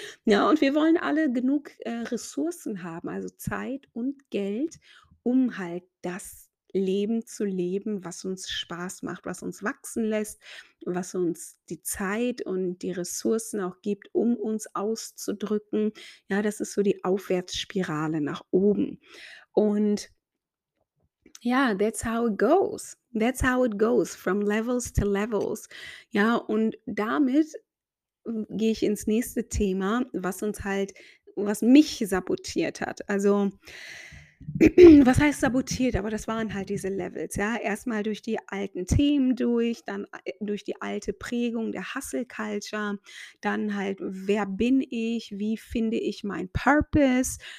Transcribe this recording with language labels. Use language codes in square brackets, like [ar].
[de] Ja, und wir wollen alle genug Ressourcen haben, also Zeit und Geld, um halt das Leben zu leben, was uns Spaß macht, was uns wachsen lässt, was uns die Zeit und die Ressourcen auch gibt, um uns auszudrücken. Ja, das ist so die Aufwärtsspirale nach oben. [en] Und ja, that's how it goes. That's how it goes, from levels to levels. [de] Ja, und damit gehe ich ins nächste Thema, was mich sabotiert hat. Also, was heißt sabotiert? Aber das waren halt diese Levels. Ja, erstmal durch die alten Themen durch, dann durch die alte Prägung der Hustle Culture, dann halt, wer bin ich, wie finde ich mein Purpose?